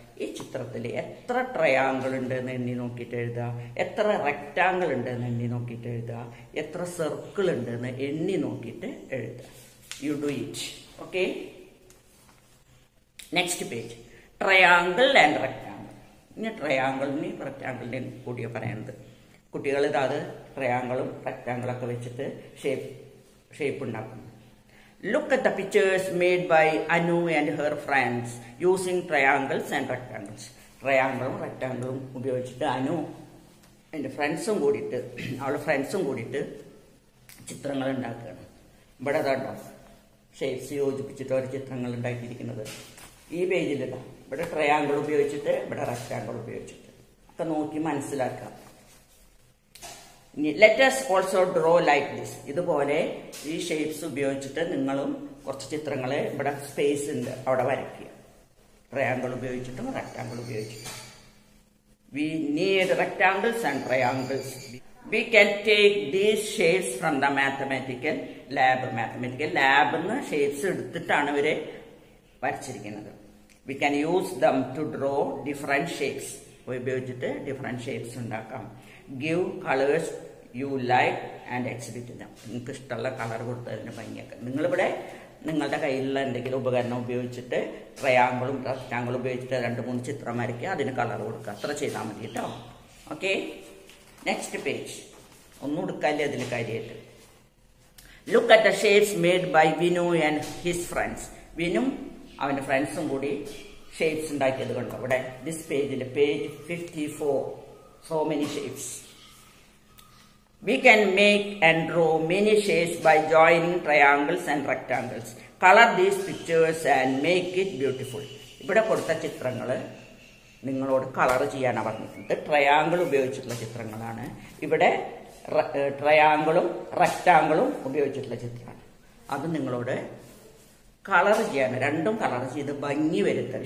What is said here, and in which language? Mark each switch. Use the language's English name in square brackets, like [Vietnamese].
[Malayalam] ഈ ചിത്രത്തിൽ എത്ര ട്രയാങ്കിൾ ഉണ്ട് എന്ന് എണ്ണി നോക്കിയിട്ട് എഴുതുക, എത്ര റെക്ടാംഗിൾ ഉണ്ട് എന്ന് എണ്ണി നോക്കിയിട്ട് എഴുതുക, എത്ര സർക്കിൾ ഉണ്ട് എന്ന് എണ്ണി നോക്കിയിട്ട് എഴുതുക. [English] You do it. Okay, next page. Triangle and rectangle. [Malayalam] ഇനി ട്രയാങ്കിളിനെയും റെക്ടാംഗിളിനെയും കൂടിയാണ് പറയുന്നത്. കുട്ടികളുടെ അത് ട്രയാങ്കിളും റെക്റ്റാങ്കിളൊക്കെ വെച്ചിട്ട് ഷേപ്പ് ഉണ്ടാക്കുന്നു. [English] Look at the pictures made by Anu and her friends using triangles and rectangles. [Malayalam] Triangle, rectangle, ഉപയോഗിച്ചിട്ട് അനു എൻ്റെ ഫ്രണ്ട്സും കൂടിയിട്ട് അവളുടെ ഫ്രണ്ട്സും കൂടിയിട്ട് ചിത്രങ്ങൾ ഉണ്ടാക്കുകയാണ്. ഇവിടെ കേട്ടോ ഷേപ്സ് യോജിപ്പിച്ചിട്ട് ഒരു ചിത്രങ്ങൾ ഉണ്ടാക്കിയിരിക്കുന്നത് ഈ പേജിലിതാ. ഇവിടെ ട്രയാങ്കിൾ ഉപയോഗിച്ചിട്ട് ഇവിടെ റെക്റ്റാങ്കിൾ ഉപയോഗിച്ചിട്ട് ഒക്കെ നോക്കി മനസ്സിലാക്കാം. [English] Let us also draw like this. [Malayalam] ഇതുപോലെ ഈ ഷേപ്സ് ഉപയോഗിച്ചിട്ട് നിങ്ങളും കുറച്ച് ചിത്രങ്ങൾ ഇവിടെ സ്പേസ് ഉണ്ട് അവിടെ വരയ്ക്കുക. Triangle ഉപയോഗിച്ചിട്ടും rectangle ഉപയോഗിച്ചിട്ടും. [English] We need rectangles and triangles. We can take these shapes from the mathematical lab. [Malayalam] Mathematical ലാബിൽ നിന്ന് ഷേപ്സ് എടുത്തിട്ടാണ് ഇവരെ വരച്ചിരിക്കുന്നത്. [English] We can use them to draw different shapes. [Malayalam] ഉപയോഗിച്ചിട്ട് ഡിഫറെന്റ് ഷേപ്സ് ഉണ്ടാക്കാം. [English] Give colors you like and exhibit them. [Malayalam] നിങ്ങൾക്ക് ഇഷ്ടമുള്ള colour കൊടുത്തതിന് ഭംഗിയൊക്കെ നിങ്ങളിവിടെ നിങ്ങളുടെ കയ്യിലുള്ള എന്തെങ്കിലും ഉപകരണം ഉപയോഗിച്ചിട്ട് ട്രയാങ്കിളും റെക്റ്റാങ്കിളും ഉപയോഗിച്ചിട്ട് രണ്ട് മൂന്ന് ചിത്രം വരയ്ക്കുക, അതിന് കളർ കൊടുക്കുക. അത്ര ചെയ്താൽ മതി കേട്ടോ. ഓക്കെ, നെക്സ്റ്റ് പേജ് ഒന്നും കൊടുക്കാല്ലേ അതിന് കാര്യമായിട്ട്. [English] Look at the shapes made by Vinu and his friends. [Malayalam] വിനും അവൻ്റെ ഫ്രണ്ട്സും കൂടി ഷേപ്സ് ഉണ്ടാക്കിയത് കൊണ്ട് ഇവിടെ ദിസ് പേജിൽ page 54. [English] So many shapes. We can make and draw many shapes by joining triangles and rectangles. Color these pictures and make it beautiful. [Malayalam] ഇവിടെ കൊടുത്ത ചിത്രങ്ങൾ നിങ്ങളോട് കളർ ചെയ്യാനാണ് പറഞ്ഞിട്ടുണ്ട്. ട്രയാങ്കിൾ ഉപയോഗിച്ചിട്ടുള്ള ചിത്രങ്ങളാണ്. ഇവിടെ ട്രയാങ്കിളും റെക്റ്റാങ്കിളും ഉപയോഗിച്ചിട്ടുള്ള ചിത്രമാണ്. അത് നിങ്ങളോട് കളർ ചെയ്യാനും രണ്ടും കളർ ചെയ്ത് ഭംഗി വരുത്തുക.